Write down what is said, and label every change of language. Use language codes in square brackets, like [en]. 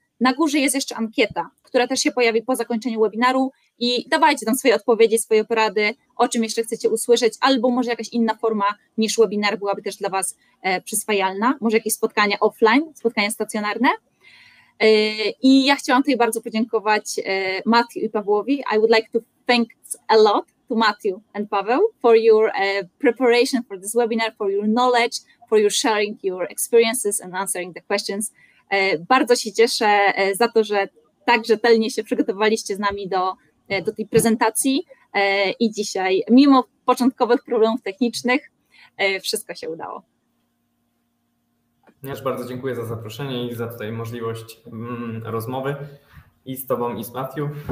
[pl] Na górze jest jeszcze ankieta, która też się pojawi po zakończeniu webinaru i dawajcie tam swoje odpowiedzi, swoje porady, o czym jeszcze chcecie usłyszeć, albo może jakaś inna forma niż webinar byłaby też dla was przyswajalna, może jakieś spotkania offline, spotkania stacjonarne. I ja chciałam tutaj bardzo podziękować Matthew i Pawłowi. [en] I would like to thank a lot to Matthew and Paweł for your preparation for this webinar, for your knowledge, for your sharing your experiences and answering the questions. [pl] Bardzo się cieszę za to, że tak rzetelnie się przygotowaliście z nami do tej prezentacji i dzisiaj, mimo początkowych problemów technicznych, wszystko się udało. Ja też bardzo dziękuję za zaproszenie i za tutaj możliwość rozmowy i z Tobą, i z Matthew.